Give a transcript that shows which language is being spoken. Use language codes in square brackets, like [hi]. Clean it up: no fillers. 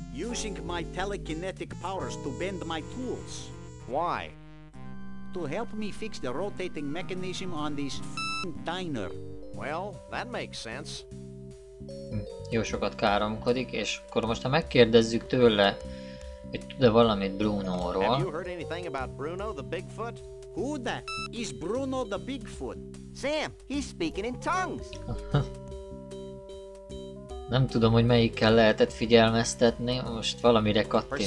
[en] Using my telekinetic powers to bend my tools. Why? To help me fix the rotating mechanism on this f***ing diner. Well, that makes sense. [hu] Jó sokat káromkodik, és akkor most ha megkérdezzük tőle, hogy tud-e valamit Bruno-ról. [en] Have you heard anything about Bruno the Bigfoot? Who the f*** is Bruno the Bigfoot? Sam, he's speaking in tongues! [hu] Nem tudom, hogy melyikkel lehetett figyelmeztetni, most valamire kattintok.